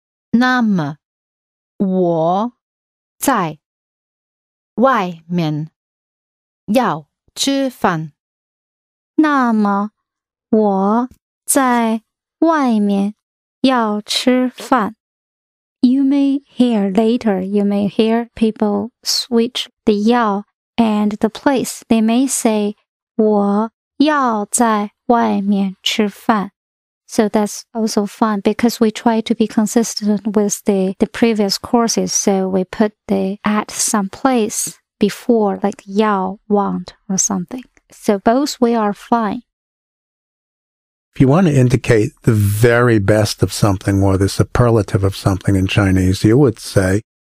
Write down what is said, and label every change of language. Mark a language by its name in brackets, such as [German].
[Chinese] 那么我在外面要吃饭。那么我在外面要吃饭。 [English] You may hear later, you may hear people switch the 要 and the place. They may say, [Chinese] 我要在外面吃饭。 [English] So that's also fun because we try to be consistent with the previous courses. So we put the at some place before, like 要 want or something. So both we are fine. If you want to indicate the very best of something or the superlative of something in Chinese, you would say